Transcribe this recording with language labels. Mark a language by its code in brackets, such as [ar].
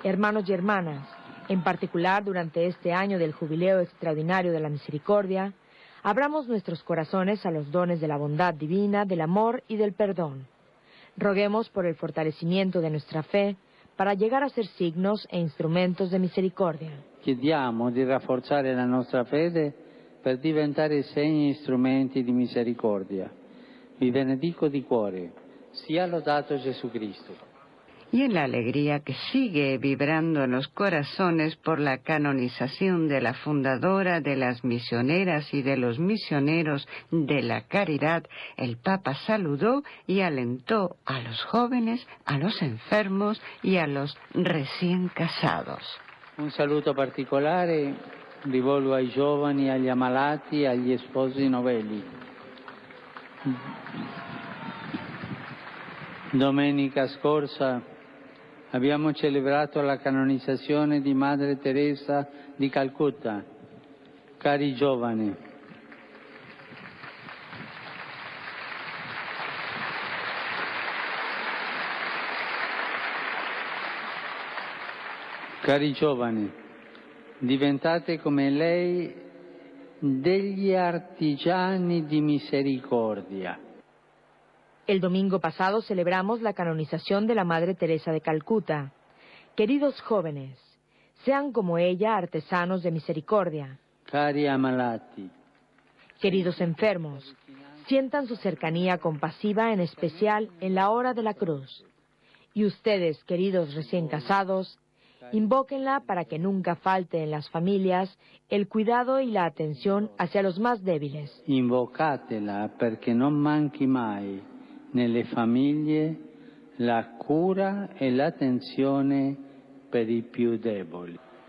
[es] Hermanos y hermanas, en particular durante este año del jubileo extraordinario de la misericordia, abramos nuestros corazones a los dones de la bondad divina, del amor y del perdón. Roguemos por el fortalecimiento de nuestra fe para llegar a ser signos e instrumentos de misericordia. [it] Chiediamo di rafforzare la nostra fede per diventare segni e strumenti di misericordia. Vi benedico di cuore. Sia lodato Gesù Cristo. [es] Y en la alegría que sigue vibrando en los corazones por la canonización de la fundadora de las misioneras y de los misioneros de la caridad, el Papa saludó y alentó a los jóvenes, a los enfermos y a los recién casados. [it] Un saluto particolare rivolgo ai giovani, agli ammalati, agli sposi novelli. Domenica scorsa abbiamo celebrato la canonizzazione di Madre Teresa di Calcutta. Cari giovani, diventate come lei degli artigiani di misericordia. [es] El domingo pasado celebramos la canonización de la Madre Teresa de Calcuta. Queridos jóvenes, sean como ella artesanos de misericordia. [it] Cari ammalati. [es] Queridos enfermos, sientan su cercanía compasiva en especial en la hora de la cruz. Y ustedes, queridos recién casados, invóquenla para que nunca falte en las familias el cuidado y la atención hacia los más débiles. [it] Invocatela perché non manchi mai nelle famiglie la cura e l'attenzione per i più deboli.